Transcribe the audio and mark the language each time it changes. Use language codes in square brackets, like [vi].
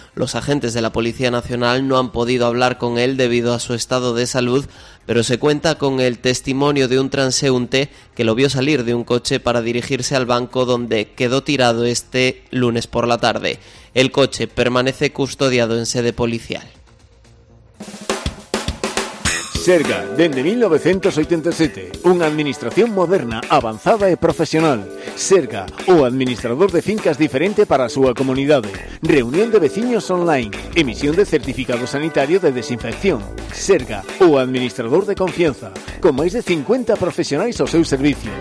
[es] Los agentes de la Policía Nacional no han podido hablar con él debido a su estado de salud, pero se cuenta con el testimonio de un transeúnte que lo vio salir de un coche para dirigirse al banco donde quedó tirado este lunes por la tarde. El coche permanece custodiado en sede policial. [gl] SERGA, dende 1987, unha administración moderna, avanzada e profesional. SERGA, o administrador de fincas diferente para a súa comunidade. Reunión de veciños online, emisión de certificado sanitario de desinfección. SERGA, o administrador de confianza, con máis de 50 profesionais ao seu servicio.